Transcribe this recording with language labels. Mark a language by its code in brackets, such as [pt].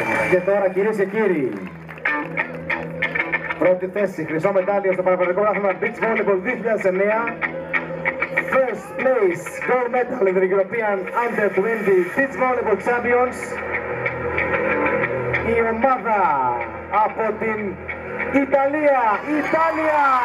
[el] Και τώρα κυρίες και κύριοι, πρώτη θέση, χρυσό μετάλλιο στο Παναευρωπαϊκό Πρωτάθλημα Beach Volleyball 2009. [en] First place, gold medal in the European Under 20 Beach Volleyball Champions. [el] Η ομάδα από την Ιταλία, Ιταλία!